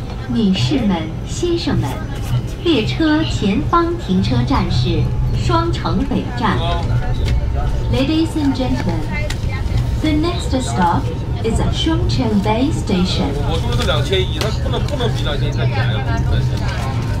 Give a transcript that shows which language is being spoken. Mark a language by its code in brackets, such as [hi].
[zh] 女士们、先生们，列车前方停车站是双城北站。 [en] Ladies and gentlemen, the next stop is a Changchun Bay Station. [zh] 我说的2100，它不能比2100便宜啊！